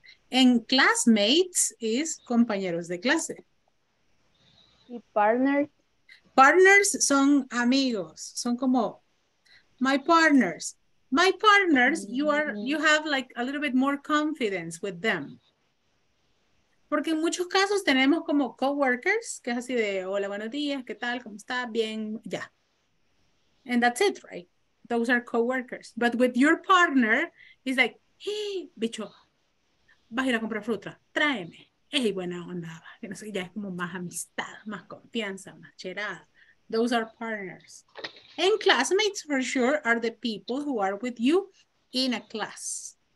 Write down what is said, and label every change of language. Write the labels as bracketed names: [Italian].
[English] And classmates is [Spanish] compañeros de clase. ¿Y partners? Partners son amigos. Son como [English] my partners. My partners, you have like a little bit more confidence with them. [Spanish] Porque en muchos casos tenemos como coworkers, que es así de hola, buenos días, ¿qué tal? ¿Cómo está? Bien, ya. [English] And that's it, right? Those are coworkers. But with your partner, it's like, hey, bicho. [Spanish] Vas a ir a comprar fruta, tráeme. Hey, buena onda, que no sé, ya es como más amistad, más confianza, más cherada. [English] Those are partners. And classmates, for sure, are the people who are with you in a class.